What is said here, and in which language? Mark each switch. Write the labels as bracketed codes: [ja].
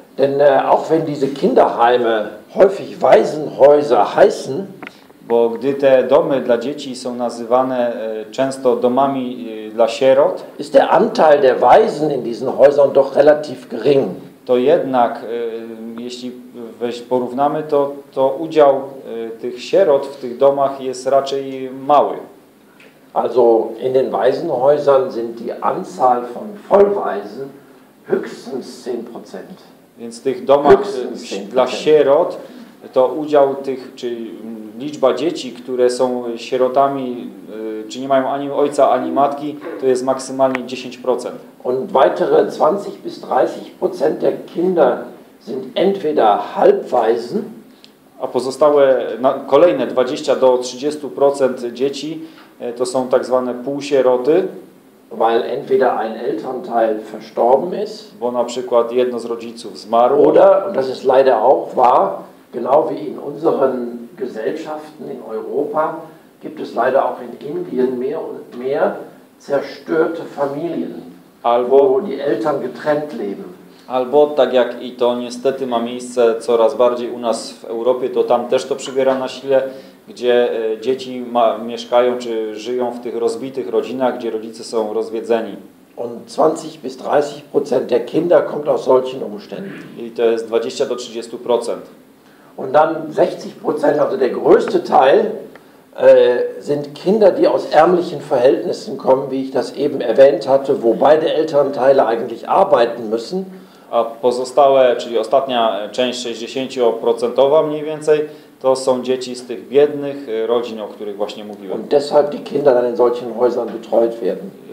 [de] Denn auch wenn diese Kinderheime häufig Waisenhäuser heißen, [pl] bo gdy te domy dla dzieci są nazywane często domami dla sierot, [de] ist der Anteil der Waisen in diesen Häusern doch relativ gering. [pl] To jednak, jeśli porównamy to, to udział tych sierot w tych domach jest raczej mały. [de] Also in den Waisenhäusern sind die Anzahl von Vollwaisen höchstens 10%. [pl] Więc w tych domach dla sierot to udział tych, czy liczba dzieci, które są sierotami, czy nie mają ani ojca, ani matki, to jest maksymalnie 10%. [de] Und weitere 20 bis 30% der Kinder sind entweder halbwaisen. [pl] A pozostałe, kolejne 20 do 30% dzieci to są tak zwane półsieroty. [de] weil entweder ein Elternteil verstorben ist, [pl] bo na przykład jedno z rodziców zmarło, [de] oder, und das ist leider auch wahr, genau wie in unseren Gesellschaften in Europa, gibt es leider auch in Indien mehr und mehr zerstörte Familien, [pl] albo, [de] wo die Eltern getrennt leben. [pl] Albo tak jak i to niestety ma miejsce coraz bardziej u nas w Europie, to tam też to przybiera na sile, gdzie dzieci mieszkają czy żyją w tych rozbitych rodzinach, gdzie rodzice są rozwiedzeni. [de] Und 20-30% der Kinder kommt aus solchen Umständen. [pl] I to jest 20-30%. [de] Und dann 60%, also der größte Teil, sind Kinder, die aus ärmlichen Verhältnissen kommen, wie ich das eben erwähnt hatte, wo beide Elternteile eigentlich arbeiten müssen. [pl] A pozostałe, czyli ostatnia część 60% mniej więcej, to są dzieci z tych biednych rodzin, o których właśnie mówiłem. [de] Und deshalb die Kinder dann in solchen Häusern betreut werden.